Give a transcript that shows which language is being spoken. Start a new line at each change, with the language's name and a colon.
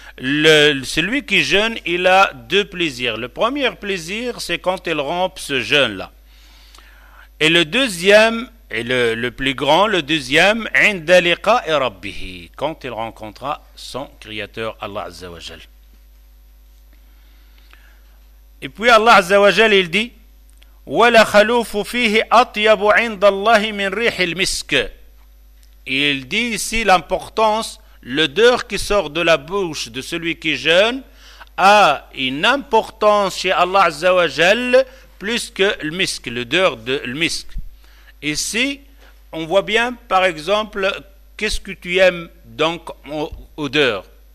French: celui qui jeûne, il a deux plaisirs. Le premier plaisir, c'est quand il rompt ce jeûne-là. Et le deuxième, et le plus grand, le deuxième,
Arabic: عِنْدَ لِقَاءِ رَبِّهِ,
French: quand il rencontrera son Créateur, Allah Azza wa Jal. Et puis Allah Azza wa Jal, il dit,
Arabic: وَلَا خَلُوفُ فِيهِ أَطْيَبُ عِنْدَ اللَّهِ مِنْ رِيحِ الْمِسْكِ.
French: Il dit ici l'importance... L'odeur qui sort de la bouche de celui qui jeûne a une importance chez Allah Azza wa Jal plus que le misk, l'odeur de le misk. Ici, on voit bien, par exemple, qu'est-ce que tu aimes donc odeur.